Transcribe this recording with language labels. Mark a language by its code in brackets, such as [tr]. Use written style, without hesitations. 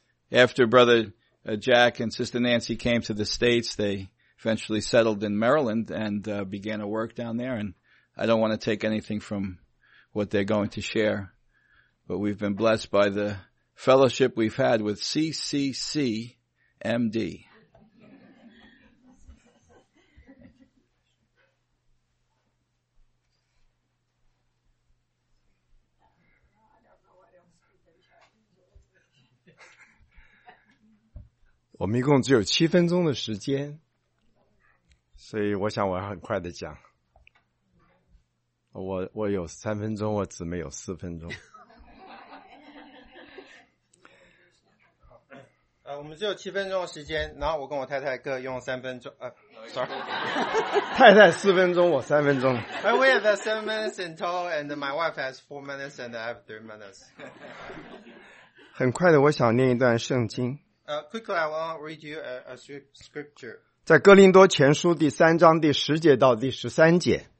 [en] After Brother Jack and Sister Nancy came to the States, they eventually settled in Maryland and began a work down there. And I don't want to take anything from what they're going to share. But we've been blessed by the fellowship we've had with CCCMD. [zh] 我们一共只有七分钟的时间，所以我想我要很快的讲。我有三分钟，我姊妹有四分钟。我们只有七分钟的时间，然后我跟我太太各用三分钟。太太四分钟，我三分钟。 [en] We have 7 minutes in total, and my wife has 4 minutes, and I have 3 minutes. [zh] 很快的，我想念一段圣经。 [en] Quickly, I want to read you a scripture. [zh] 在哥林多前书第三章第十节到第十三节。